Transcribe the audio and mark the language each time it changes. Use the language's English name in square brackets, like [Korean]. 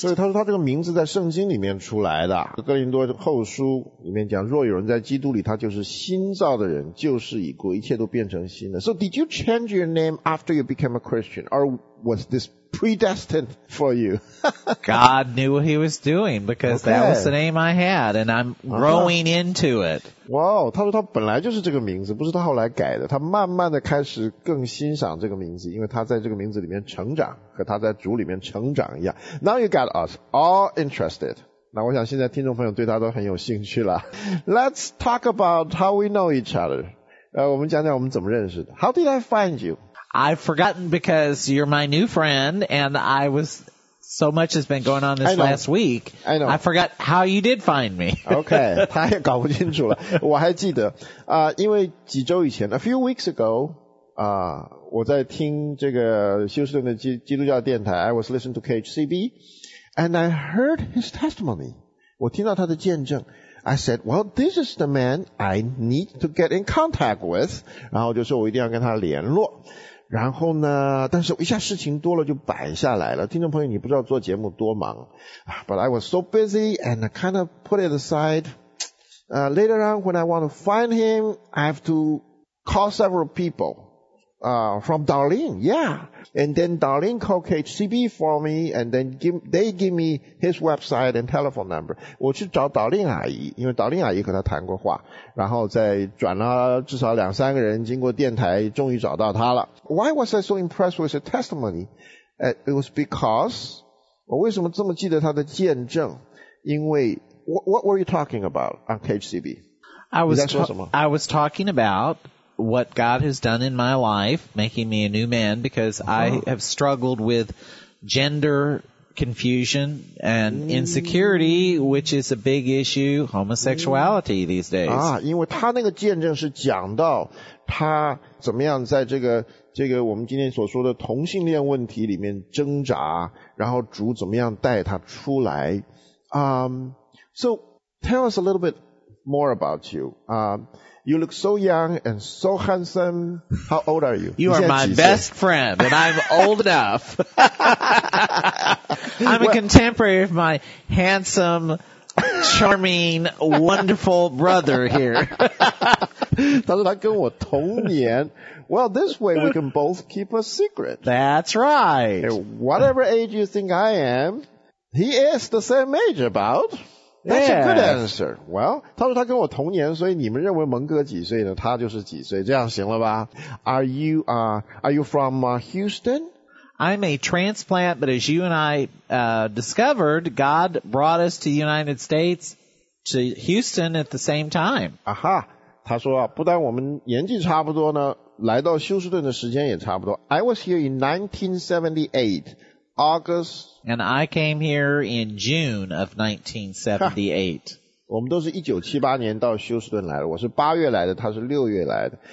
[Chinese] 所以他说他这个名字在圣经里面出来的。哥林多后书里面讲，若有人在基督里，他就是新造的人，旧事已过，一切都变成新的。 [English] So did you change your name after you became a Christian, or was this predestined for you? God knew what he was doing because that was the name I had, and I'm growing into it. [Chinese] Wow, 他说他本来就是这个名字，不是他后来改的。他慢慢的开始更欣赏这个名字，因为他在这个名字里面成长，和他在主里面成长一样。 [English] Now you got us all interested. [Chinese] 那我想现在听众朋友对他都很有兴趣了。 [English] Let's talk about how we know each other. [Chinese] 我们讲讲我们怎么认识的。 [English] How did I find you? I've forgotten because you're my new friend, and I was, so much has been going on this last week. I know. I forgot how you did find me. [Chinese] Okay. 他也搞不清楚了。我还记得，因为几周以前 , [English] a few weeks ago, [Chinese] 我在听这个休斯顿的基督教电台 , [English] I was listening to KHCB, and I heard his testimony. [Chinese] 我听到他的见证。 [English] I said, well, this is the man I need to get in contact with. [Chinese] 然后就说我一定要跟他联络。然后呢，但是一下事情多了就摆下来了。听众朋友，你不知道做节目多忙。 [English] But I was so busy and I kind of put it aside. Later on, when I want to find him, I have to call several people. From Darlene, yeah. And then Darlene called HCB for me and then they give me his website and telephone number. [Chinese] 我去找 Darlene 阿姨，因为 Darlene 阿姨和她谈过话，然后再转了至少两三个人经过电台终于找到她了。 [English] Why was I so impressed with her testimony? It was because, [Chinese] 我为什么这么记得她的见证？ [English] 因为 what were you talking about on HCB? I was talking about... What God has done in my life, making me a new man, because I have struggled with gender confusion and insecurity, which is a big issue, homosexuality these days. [Chinese] 因为他那个见证是讲到他怎么样在这个我们今天所说的同性恋问题里面挣扎，然后主怎么样带他出来。 [English] So tell us a little bit more about you. You look so young and so handsome. How old are you? You are my best friend, and I'm old enough. I'm a contemporary of my handsome, charming, wonderful brother here. [Chinese] 他说他跟我同年。 [English] Well, this way we can both keep a secret. That's right. Hey, whatever age you think I am, he is the same age about. That's a good answer. [Chinese] Well, 他说他跟我同年，所以你们认为蒙哥几岁呢？他就是几岁，这样行了吧？ [English] Are you from Houston? I'm a transplant, but as you and I discovered, God brought us to the United States to Houston at the same time. [Chinese] Aha, 他说啊，不但我们年纪差不多呢，来到休斯顿的时间也差不多。 [English] I was here in 1978. August. And I came here in June of 1978. [Chinese] 我们都是1978年到休斯顿来的。我是8月来的，他是6月来的。